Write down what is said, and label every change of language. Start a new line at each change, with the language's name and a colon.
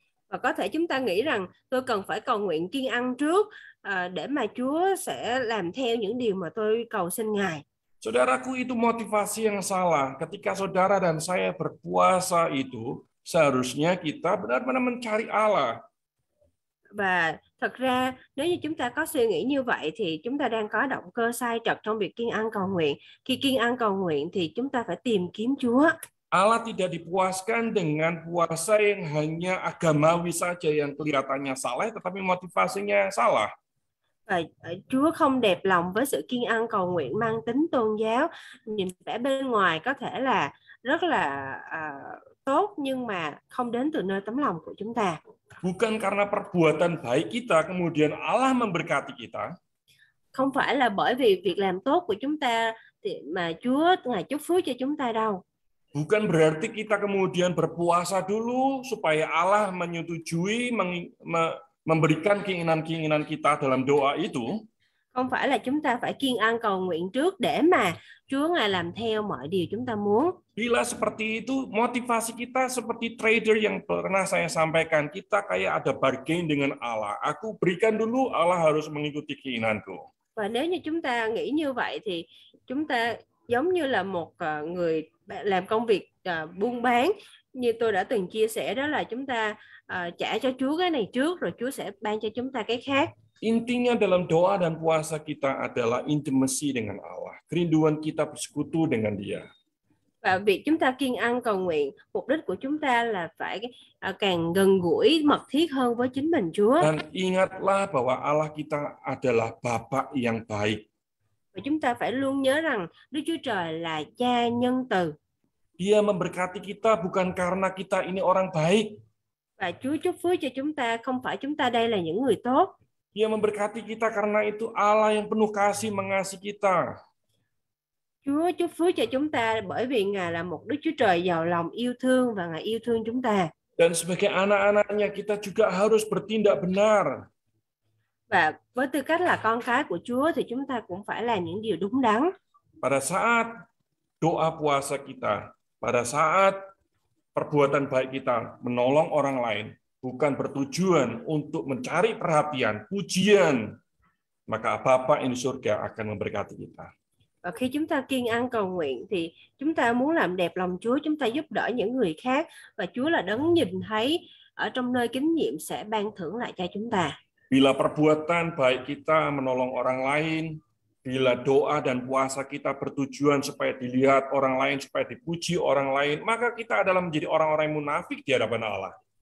Vietnamese: Và có thể chúng ta nghĩ rằng tôi cần phải cầu nguyện kiêng ăn trước để mà Chúa sẽ làm theo những điều mà tôi cầu xin Ngài.
Indonesian: Saudaraku, itu motivasi yang salah. Ketika saudara dan saya berpuasa itu, seharusnya kita benar-benar mencari Allah.
Vietnamese: Và thật ra nếu như chúng ta có suy nghĩ như vậy thì chúng ta đang có động cơ sai trật trong việc kiêng ăn cầu nguyện. Khi kiêng ăn cầu nguyện thì chúng ta phải tìm kiếm Chúa.
Indonesian: Allah tidak dipuaskan dengan puasa yang hanya agamawi saja yang kelihatannya saleh tetapi motivasinya salah.
Vietnamese: Và Chúa không đẹp lòng với sự kiên ăn cầu nguyện mang tính tôn giáo, nhìn vẻ bên ngoài có thể là rất là tốt nhưng mà không đến từ nơi tấm lòng của chúng ta.
Indonesian: Bukan karena perbuatan baik kita kemudian Allah memberkati kita.
Vietnamese: Không phải là bởi vì việc làm tốt của chúng ta mà Chúa ngài chúc phước cho chúng ta đâu.
Indonesian: Bukan berarti kita kemudian berpuasa dulu supaya Allah menyetujui memberikan keinginan-keinginan kita dalam doa itu.
Vietnamese: Không phải là chúng ta phải kiêng ăn cầu nguyện trước để mà Chúa ngài làm theo mọi điều chúng ta muốn.
Indonesian: Bila seperti itu, motivasi kita seperti trader yang pernah saya sampaikan, kita kayak ada bargain dengan Allah. Aku berikan dulu, Allah harus mengikuti keinginanku.
Vietnamese: Và nếu như chúng ta nghĩ như vậy thì chúng ta giống như là một người làm công việc buôn bán, như tôi đã từng chia sẻ đó là chúng ta trả cho Chúa cái này trước rồi Chúa sẽ ban cho chúng ta cái khác.
Indonesian: Intinya dalam doa dan puasa kita adalah intimasi dengan Allah, kerinduan kita bersekutu dengan Dia.
Vietnamese: Và việc chúng ta kiêng ăn cầu nguyện, mục đích của chúng ta là phải càng gần gũi mật thiết hơn với chính mình Chúa.
Indonesian: Dan ingatlah bahwa Allah kita adalah Bapa yang baik.
Vietnamese: Và chúng ta phải luôn nhớ rằng Đức Chúa Trời là Cha nhân từ.
Indonesian: Dia memberkati kita bukan karena kita ini orang baik.
Vietnamese: Và Chúa chúc phước cho chúng ta không phải chúng ta đây là những người tốt.
Indonesian: Dia memberkati kita karena itu Allah yang penuh kasih mengasihi kita.
Vietnamese: Chúa chúc phước cho chúng ta bởi vì Ngài là một Đức Chúa Trời giàu lòng yêu thương và Ngài yêu thương chúng ta.
Indonesian: Dan sebagai anak-anaknya kita juga harus bertindak benar.
Vietnamese: Và với tư cách là con cái của Chúa thì chúng ta cũng phải làm những điều đúng đắn.
Indonesian: Pada saat doa puasa kita, pada saat perbuatan baik kita menolong orang lain, bukan bertujuan untuk mencari perhatian, pujian, maka Bapa di surga akan memberkati kita.
Vietnamese: Và khi chúng ta kiêng ăn cầu nguyện thì chúng ta muốn làm đẹp lòng Chúa, chúng ta giúp đỡ những người khác và Chúa là đấng nhìn thấy ở trong nơi kín nhiệm sẽ ban thưởng lại cho chúng ta.
Indonesian: Bila perbuatan baik kita menolong orang lain, bila doa dan puasa kita bertujuan supaya dilihat orang lain, supaya dipuji orang lain, maka kita adalah menjadi orang-orang yang munafik di hadapan Allah.